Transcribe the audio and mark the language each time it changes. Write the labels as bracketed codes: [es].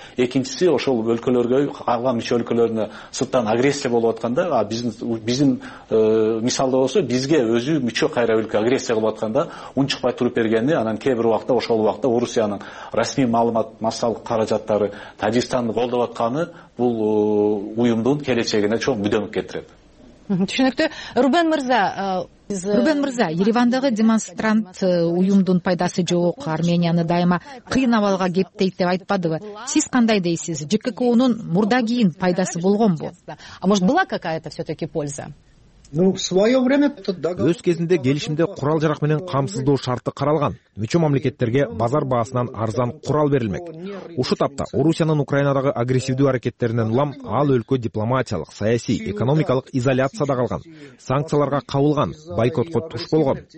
[ky] Экинчиси ошол өлкөлөргө, калган мүчө өлкөлөрүнө сырттан агрессия болуп атканда, биздин мисалда болсо, бизге өзү мүчө кайра өлкө агрессия кылып атканда унчукпай туруп бергени, анан кээ бир убакта ошол убакта Орусиянын расмий маалымат массалык каражаттары Тажикстанды колдоп атканы бул уюмдун келечегине чоң мүдөмүк кетирет. Түшүнүктүү. Рубен мырза, Рубен мырза, Еревандагы демонстрант уюмдун пайдасы жок, Арменияны дайыма кыйын абалга кептейт деп айтпадыбы? Сиз кандай дейсиз? ЖКК-нун мурда кийин пайдасы болгонбу? [ru] А может, была какая-то все-таки польза? Ну, в свое время [ky] өз кезинде келишимде курал жарак менен камсыздоо шарты каралган. Мүчө мамлекеттерге базар баасынан арзан курал берилмек. Ушу тапта Орусиянын Украинадагы агрессивдүү аракеттеринен улам ал өлкө дипломатиялык, саясий, экономикалык изоляцияда калган, санкцияларга кабылган, бойкотко туш болгон.